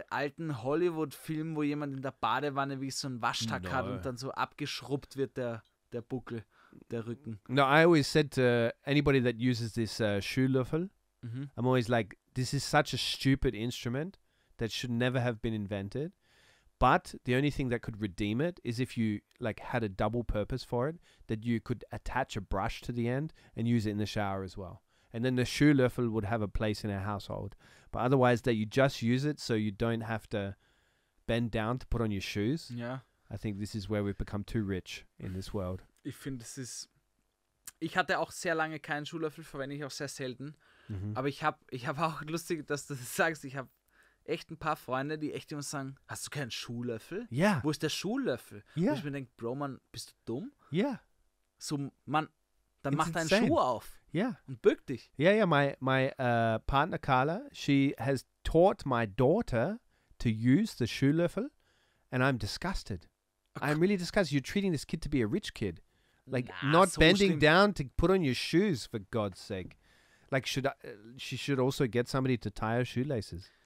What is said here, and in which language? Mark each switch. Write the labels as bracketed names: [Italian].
[German] So alten Hollywood-Film, wo jemand in der Badewanne wie so einen Waschtag hat und dann so abgeschrubbt wird der Buckel. Der Rücken. [English] No, I always said to anybody that uses this Schuhlöffel, mm-hmm. I'm always like, this is such a stupid instrument that should never have been invented. But the only thing that could redeem it is if you like had a double purpose for it, that you could attach a brush to the end and use it in the shower as well. And then the Schuhlöffel would have a place in our household. But otherwise, that you just use it so you don't have to bend down to put on your shoes. Yeah. I think this is where we've become too rich in this world. [German] Ich finde, es ist. Ich hatte auch sehr lange keinen Schuhlöffel, verwende ich auch sehr selten. Mhm. Aber ich habe auch lustig, dass du das sagst. Ich habe echt ein paar Freunde, die echt immer sagen, hast du keinen Schuhlöffel? Ja. Wo ist der Schuhlöffel? Ja. Wo ich mir denke, Bro, Mann, bist du dumm? Ja. So, Mann, dann mach deinen Schuh auf. Ja. Und bück dich. [English] Ja, ja, my partner Carla, she has taught my daughter to use the Schuhlöffel and I'm disgusted. Okay. I'm really disgusted. You're treating this kid to be a rich kid. Like, nah, not so bending [German] schlimm. [English] Down to put on your shoes, for God's sake. Like, she should also get somebody to tie her shoelaces.